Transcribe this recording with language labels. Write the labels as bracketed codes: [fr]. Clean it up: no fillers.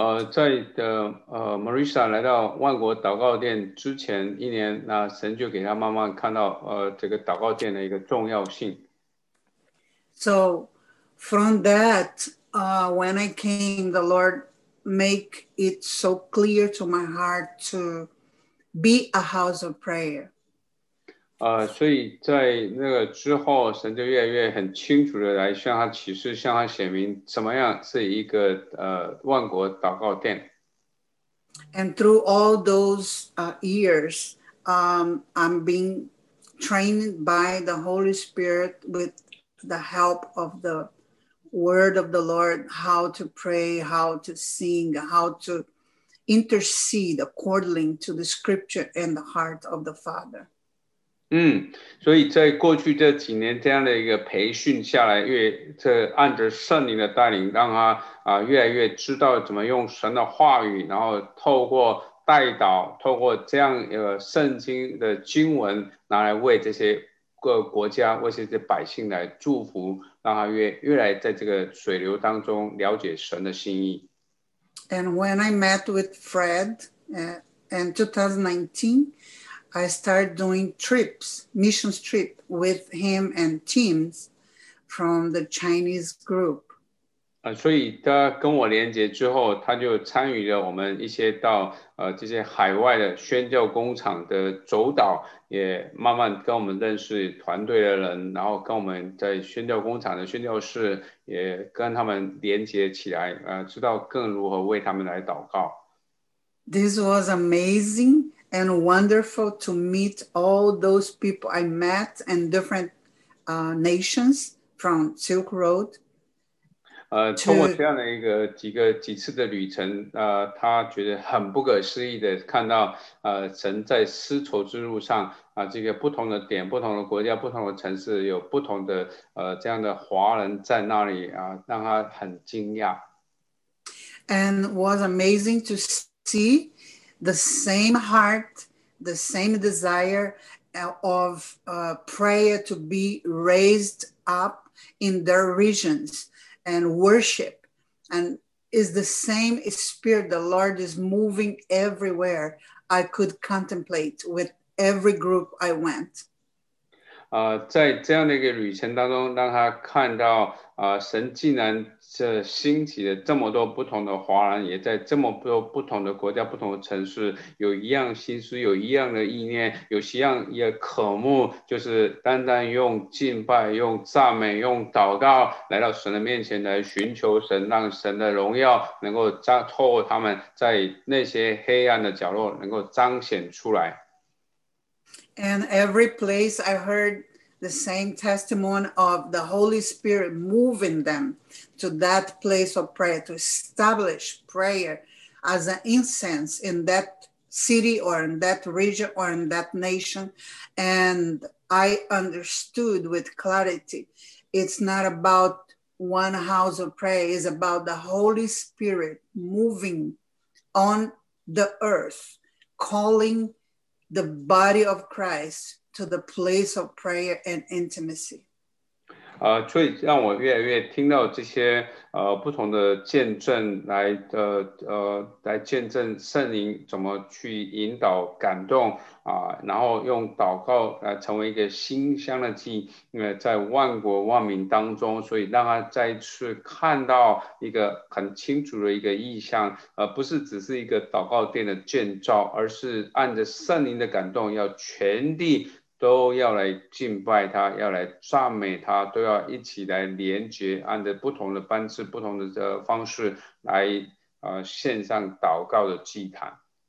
[zh] 在Marisa 来到万国祷告殿之前一年，那神就给他慢慢看到这个祷告殿的一个重要性。 [en] So, from that, when I came, the Lord make it so clear to my heart to be a house of prayer. [zh] 所以在那个之后，神就越来越很清楚的来向他启示，向他显明什么样是一个万国祷告殿。 [en] And through all those years, I'm being trained by the Holy Spirit with the help of the Word of the Lord, how to pray, how to sing, how to intercede according to the Scripture and the heart of the Father. [zh] 所以在过去这几年这样的一个培训下来，越这按着圣灵的带领，让他越来越知道怎么用神的话语，然后透过代祷，透过这样圣经的经文，拿来为这些各国家，为这些百姓来祝福，让他越来在这个水流当中了解神的心意。 [en] And when I met with Fred in 2019, I started doing trips, missions trip with him and teams from the Chinese group. [zh] 所以他跟我连接之后，他就参与了我们一些到这些海外的宣教工厂的走导，也慢慢跟我们认识团队的人，然后跟我们在宣教工厂的宣教士也跟他们连接起来，知道更如何为他们来祷告。 [en] This was amazing and wonderful to meet all those people I met in different nations from Silk Road. [zh] 通过这样的一个几次的旅程，他觉得很不可思议的看到，神在丝绸之路上这个不同的点、不同的国家、不同的城市，有不同的这样的华人在那里让他很惊讶。 [en] And was amazing to see the same heart, the same desire of prayer to be raised up in their regions. And worship, and is the same spirit the Lord is moving everywhere. I could contemplate with every group I went. [zh] 在这样的一个旅程当中，让他看到神竟然这兴起了这么多不同的华人，也在这么多不同的国家、不同的城市，有一样心思，有一样的意念，有一样也渴慕，就是单单用敬拜、用赞美、用祷告来到神的面前来寻求神，让神的荣耀能够透过他们在那些黑暗的角落能够彰显出来。 [en] And every place I heard the same testimony of the Holy Spirit moving them to that place of prayer, to establish prayer as an incense in that city or in that region or in that nation. And I understood with clarity, it's not about one house of prayer, it's about the Holy Spirit moving on the earth, calling the body of Christ to the place of prayer and intimacy. [zh] 所以让我越来越听到这些不同的见证来来见证圣灵怎么去引导感动然后用祷告成为一个馨香的祭，在万国万民当中，所以让他再次看到一个很清楚的一个意象，不是只是一个祷告殿的建造，而是按着圣灵的感动要全地都要来敬拜他，要来赞美他，都要一起来连接，按着不同的班次、不同的方式来献上祷告的祭坛。